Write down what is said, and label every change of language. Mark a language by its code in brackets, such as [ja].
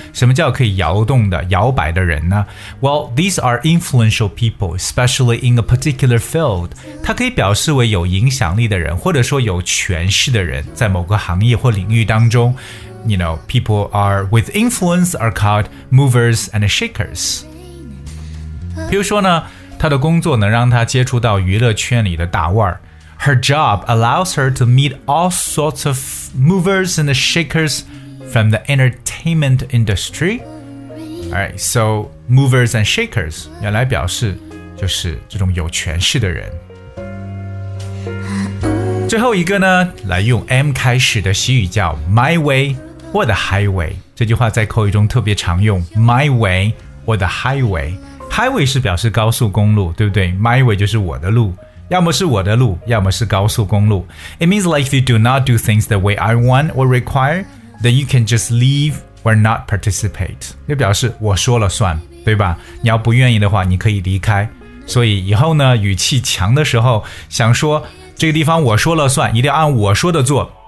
[zh] 什么叫可以摇动的、摇摆的人呢？ [en] Well, these are influential people, especially in a particular field. [zh] 它可以表示为有影响力的人，或者说有权势的人，在某个行业或领域当中， [en] you know, people are with influence are called movers and shakers. [zh] 比如说呢，她的工作能让她接触到娱乐圈里的大腕儿。 [en] Her job allows her to meet all sorts of movers and shakers from the entertainment industry. Alright, so movers and shakers [zh] 原来表示就是这种有权势的人。最后一个呢，来用 M 开始的习语叫 [en] My way or the highway。 [zh] 这句话在口语中特别常用， [en] My way or the highway。 [zh] Highway 是表示高速公路，对不对？My way 就是我的路，要么是我的路，要么是高速公路。 [en] It means like if you do not do things the way I want or require, then you can just leave or not participate. [zh] 就表示我说了算，对吧？你要不愿意的话，你可以离开。所以以后呢，语气强的时候，想说这个地方我说了算，一定要按我说的做。